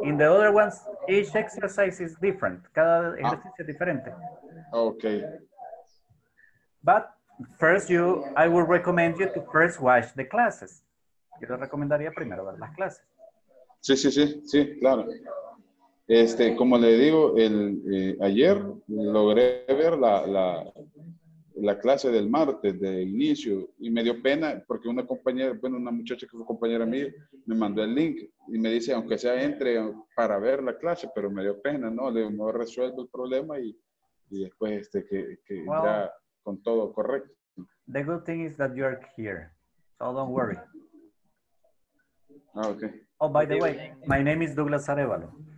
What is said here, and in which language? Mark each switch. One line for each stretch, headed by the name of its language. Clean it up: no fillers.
English: In the other ones, each exercise is different.
Spanish: Cada ejercicio diferente. Okay.
English: But first you, I would recommend you to first watch the classes.
Spanish: Yo te recomendaría primero ver las clases. Sí, sí, sí, sí, claro. Este, como le digo, el ayer logré ver la clase del martes de inicio y me dio pena porque una compañera, bueno, una muchacha que fue compañera mía, me mandó el link y me dice, aunque sea entre para ver la clase, pero me dio pena, ¿no? Le no resuelvo el problema y después este que well, ya con todo correcto.
English: The good thing is that you are here, so don't worry. Okay. Oh, by the way, my name is Douglas Arevalo.